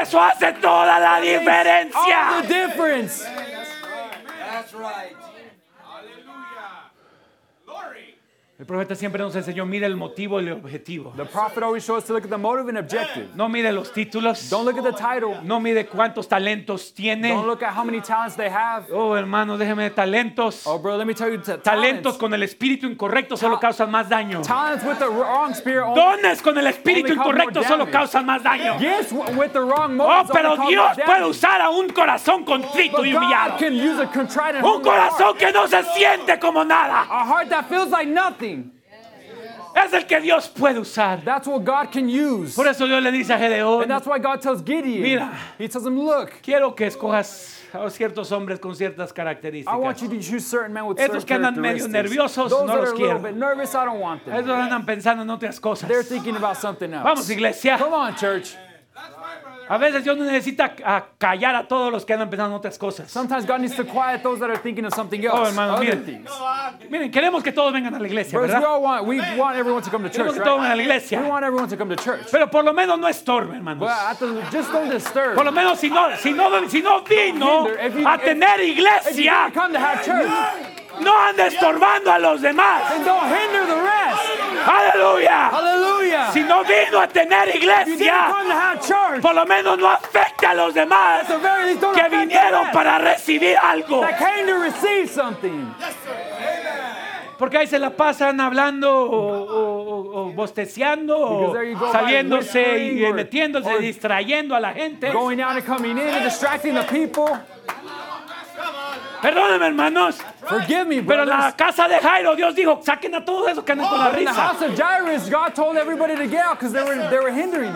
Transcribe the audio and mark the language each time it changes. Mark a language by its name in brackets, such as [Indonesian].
[Spanish] Eso hace toda la diferencia. [English] All the difference. That's right. Aleluya. Glory. [Spanish] El profeta siempre nos enseñó, mire el motivo y el objetivo. [English] The prophet always shows us to look at the motive and objective. [Spanish] No mire los títulos. [English] Don't look at the title. [Spanish] No mire cuántos talentos tiene. [English] Don't look at how many talents they have. [Spanish] Oh, hermano, déjeme de talentos. [English] Oh, bro, let me tell you talents. [Spanish] Talentos con el espíritu incorrecto solo causan más daño. [English] Talents with the wrong spirit only. [Spanish] Dones con el espíritu incorrecto solo causan más daño. [English] Yes, with the wrong motive. [Spanish] Oh, pero Dios puede usar a un corazón contrito y humillado. [English] God can use a contrite and [Spanish] un corazón que no se siente como nada. [English] A heart that feels like nothing. [Spanish] Es el que Dios puede usar. [English] That's what God can use. [Spanish] Por eso Dios le dice a Gedeón. [English] And that's why God tells Gideon. [Spanish] Mira, [English] he tells him, look. [Spanish] Quiero que escojas a ciertos hombres con ciertas características. [English] I want you to choose certain men with [Spanish] estos Estos que andan medio nerviosos, [English] those [Spanish] no los quiero. [English] Those that are a little bit nervous, I don't want them. [Spanish] Estos andan pensando en otras cosas. [English] They're thinking about something else. [Spanish] Vamos, iglesia. [English] Come on, church. [Spanish] A veces Dios necesita a callar a todos los que andan pensando en otras cosas. [English] Sometimes God needs to quiet those that are thinking of something else. [Spanish] Oh, hermano, miren. Miren, queremos que todos vengan a la iglesia, ¿verdad? [English] Brothers, we want everyone to come to church, [Spanish] queremos que todos vengan a la iglesia. [English] We want everyone to come to church. [Spanish] Pero por lo menos no estorbe, hermanos. [English] Just don't disturb. [Spanish] Por lo menos si no vino a tener iglesia. [English] If you come to have church. [Spanish] No ande estorbando a los demás. [English] And don't hinder the rest. [Spanish] Aleluya. Aleluya. Si no vino a tener iglesia, [English] church, [Spanish] por lo menos no afecte a los demás [English] least, [Spanish] que vinieron para recibir algo. [English] That came to receive something. Yes, sir. [Spanish] Porque ahí se la pasan hablando o bosteceando, saliéndose y metiéndose, distrayendo a la gente. [English] Going out and coming in and distracting the people. [Spanish] Perdóname, hermanos. [English] Forgive me, [Spanish] pero la casa de Jairo, Dios dijo, saquen a todos esos que andan con la risa. [English] The house of Jairus, God told everybody to get out because they were hindering.